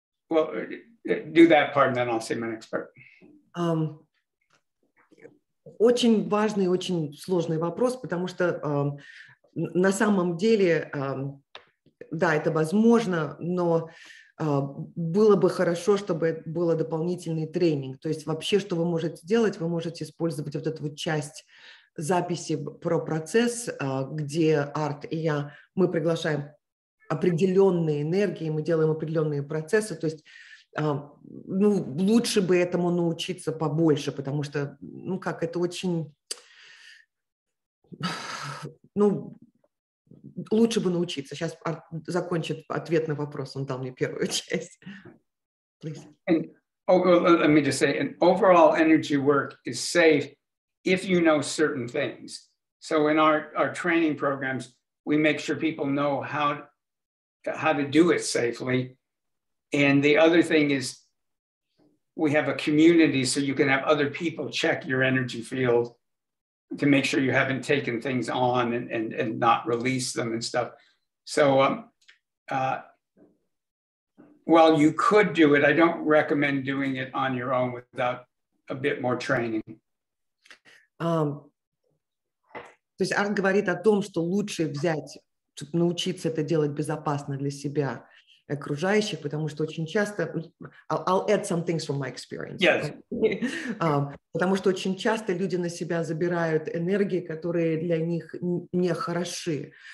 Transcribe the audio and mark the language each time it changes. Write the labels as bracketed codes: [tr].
[en] But I would do that part, and then I'll say my next part. [ru] Очень важный, очень сложный вопрос, потому что на самом деле, да, это возможно, но было бы хорошо, чтобы было дополнительный тренинг. То есть вообще, что вы можете делать, вы можете использовать вот эту вот часть записи про процесс, где Арт и я, мы приглашаем определенные энергии, мы делаем определенные процессы. То есть ну, лучше бы этому научиться побольше, потому что, ну как, это очень... Ну, лучше бы научиться. Сейчас закончит ответ на вопрос. Он дал мне первую часть. [en] Let me just say, an overall energy work is safe if you know certain things. So in our training programs, we make sure people know how to do it safely. And the other thing is, we have a community, so you can have other people check your energy field to make sure you haven't taken things on and not release them and stuff. So while you could do it, I don't recommend doing it on your own without a bit more training. [ru] То есть Арт говорит о том, что лучше взять, научиться это делать безопасно для себя и окружающих, потому что очень часто... [en] I'll add some things from my experience. Yes. [ru] Потому что очень часто люди на себя забирают энергии, которые для них не хороши.